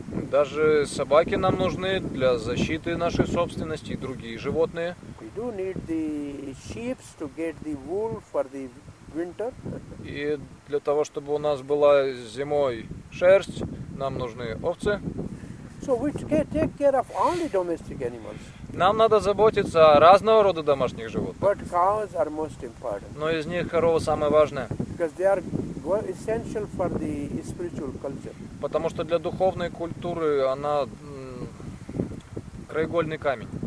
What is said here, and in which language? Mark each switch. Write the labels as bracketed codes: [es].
[ru] Даже собаки нам нужны для защиты нашей собственности и другие животные. [en] We do need the sheep to get the wool for the winter. [ru] И для того, чтобы у нас была зимой шерсть, нам нужны овцы. [en] So we take care of all the domestic animals. [ru] Нам надо заботиться о разного рода домашних животных. [en] But cows are most important. [ru] Но из них корова самая важная. [en] Because they are essential for the spiritual culture. [ru] Потому что для духовной культуры она краеугольный камень.